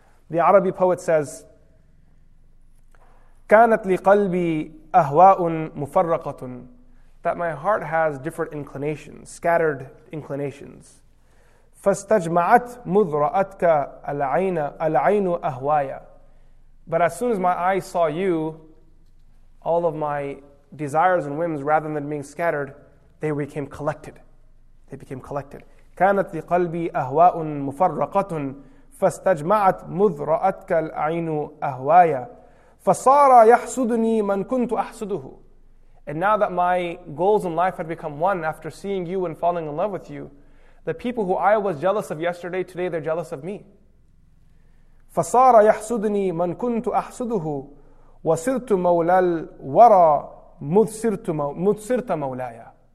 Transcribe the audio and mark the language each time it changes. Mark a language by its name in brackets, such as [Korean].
[English] The Arabi poet says, [Arabic] كانت لقلبي أهواء مفرقة, [English] that my heart has different inclinations, scattered inclinations. [Arabic] فاستجمعت مذرأتك العين أهوايا, [English] but as soon as my eyes saw you, all of my desires and whims, rather than being scattered, they became collected. They became collected. [Arabic] كانت لقلبي أهواء مفرقة فاستجمعت مذرأتك العين أهوايا فصار يحسدني من كنت أحسده. [English] And now that my goals in life had become one after seeing you and falling in love with you, the people who I was jealous of yesterday, today they're jealous of me. [Arabic] فصار يحسدني من كنت أحسده وصرت مولى الورى مدسرت مولايا.